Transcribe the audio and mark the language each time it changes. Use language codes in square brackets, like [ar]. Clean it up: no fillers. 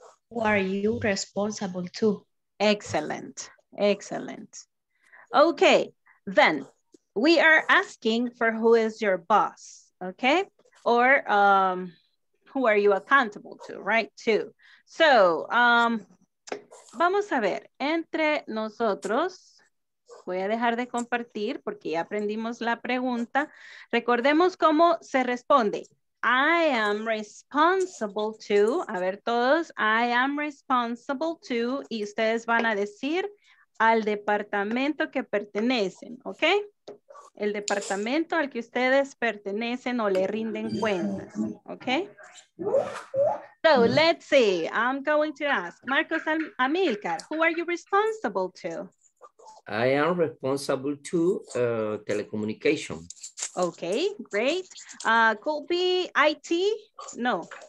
[en] Who are you responsible to? Excellent, excellent. Okay, then we are asking for who is your boss, okay? Or who are you accountable to, right? Too. [es] So, vamos a ver, entre nosotros, voy a dejar de compartir porque ya aprendimos la pregunta. Recordemos cómo se responde. [en] I am responsible to, [es] a ver todos, [en] I am responsible to, [es] y ustedes van a decir al departamento que pertenecen, ¿ok? el departamento al que ustedes pertenecen o le rinden cuentas, okay? [en] So let's see, I'm going to ask, Marcos Amilcar, who are you responsible to? I am responsible to telecommunication. Okay, great. Could be IT? No.